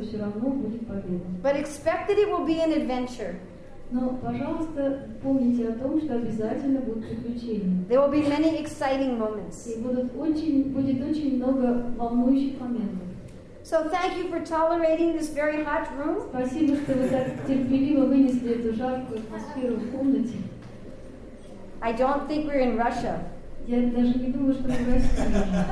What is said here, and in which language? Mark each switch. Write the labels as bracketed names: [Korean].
[English] But expect that it will be an adventure. [Russian] Но, пожалуйста, помните о том, что обязательно будут приключения. [English] There will be many exciting moments. [Russian] И будет очень много волнующих моментов. [English] So thank you for tolerating this very hot room. [Russian] Спасибо, что вы так терпеливо вынесли эту жаркую атмосферу в комнате. [English] I don't think we're in Russia. [Russian] Я даже не думаю, что мы в России.